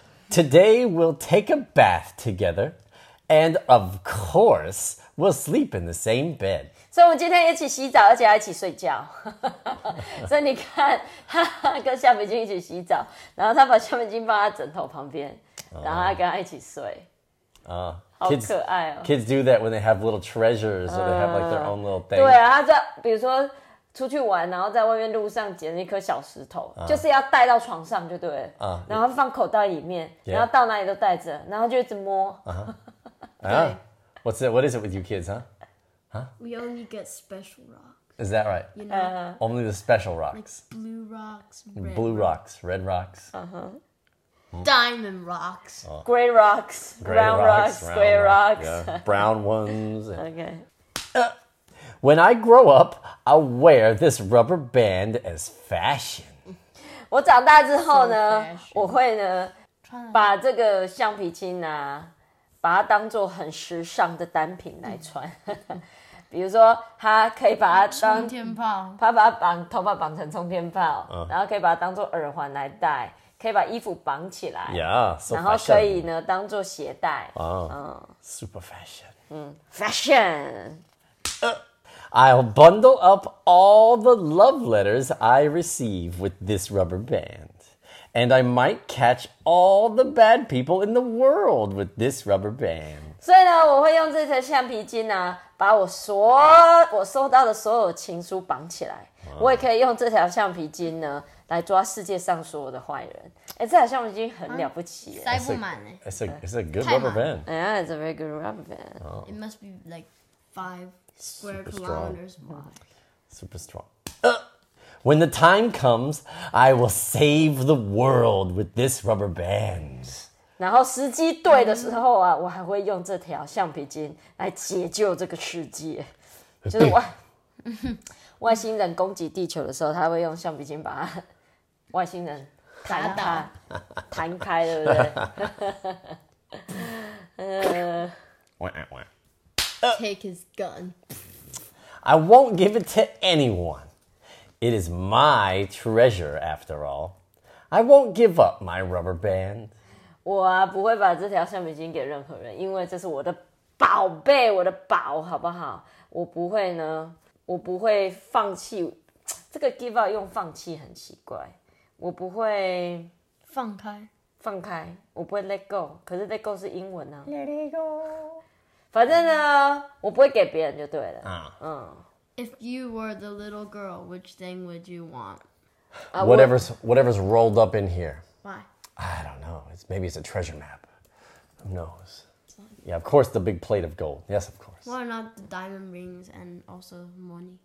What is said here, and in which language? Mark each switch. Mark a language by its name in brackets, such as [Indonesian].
[English] Today we'll take a bath together, and of course we'll sleep in the same bed. [Chinese] 所以我们今天一起洗澡，而且还一起睡觉。所以你看，他跟橡皮筋一起洗澡，然后他把橡皮筋放在枕头旁边。然后他跟他一起睡，啊， [English] kids, [Chinese] 好可爱哦。 [English] Kids do that when they have little treasures, or they have like their own little thing. [Chinese] 对啊，他在比如说出去玩，然后在外面路上捡了一颗小石头，就是要带到床上就对了。然后放口袋里面， yeah. 然后到哪里都带着，然后就一直摸。 [English] What's it? What is it with you kids, huh? We only get special rocks. Is that right? You know, only the special rocks. Like blue rocks, red. Blue rocks, red rocks. Diamond rocks. Gray rocks. Brown rocks. Square rocks. Yeah. Brown ones. Okay. When I grow up, I'll wear this rubber band as fashion. [Chinese] 我长大之后呢，我会呢，把这个橡皮筋啊，把它当作很时尚的单品来穿。比如说，他可以把它当冲天炮，他把它绑头发绑成冲天炮，然后可以把它当作耳环来戴。可以把衣服绑起来 yeah,、so、然后可以呢当作鞋带、 [English] oh, 嗯、Super fashion、嗯、Fashion、 I'll bundle up all the love letters I receive with this rubber band And I might catch all the bad people in the world with this rubber band [Chinese] 所以呢我会用这条橡皮筋啊把我收到的所有情书绑起来、我也可以用这条橡皮筋呢来抓世界上所有的坏人。哎，这条橡皮筋很了不起，塞不满。 [English] It's a good rubber band. Yeah, it's a very good rubber band. It must be like 5 square kilometers wide. Super strong. When the time comes, I will save the world with this rubber band. [Chinese] 然后时机对的时候啊，我还会用这条橡皮筋来解救这个世界。就是我。外星人攻击地球的时候，他会用橡皮筋把他外星人弹打弹开，对不对？ [English] Take his gun. I won't give it to anyone. It is my treasure, after all. I won't give up my rubber band. [Chinese] 我啊不会把这条橡皮筋给任何人，因为这是我的宝贝，我的宝，好不好？我不会呢。我不会放弃，这个 [English] give up [Chinese] 用放弃很奇怪。我不会放开，放开，我不会 [English] let go。 [Chinese] 可是 let go 是英文啊。 [English] Let it go。 [Chinese] 反正呢，我不会给别人就对了。 [English] If you were the little girl, which thing would you want? Whatever's rolled up in here. Why? I don't know. Maybe it's a treasure map. Who knows? Yeah, of course, the big plate of gold. Yes, of course. Why not the diamond rings and also money?